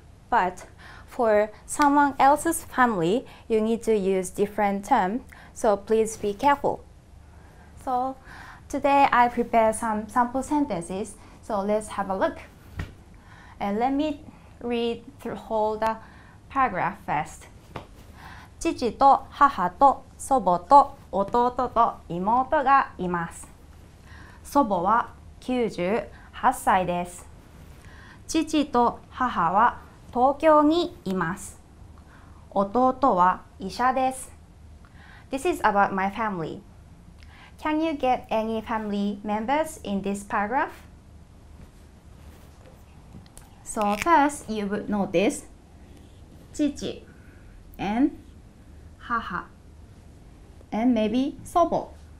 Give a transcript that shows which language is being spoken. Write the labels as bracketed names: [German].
[English] But for someone else's family, you need to use different term. So please be careful. So today I prepared some sample sentences. So let's have a look. And let me read through whole the paragraph first. [Japanese] 父と母と祖母と弟と妹がいます。祖母は98歳です。父と母は東京にいます。弟は医者です。This [English] is about my family. Can you get any family members in this paragraph? So first, you would notice 父 and 母 and maybe 祖母.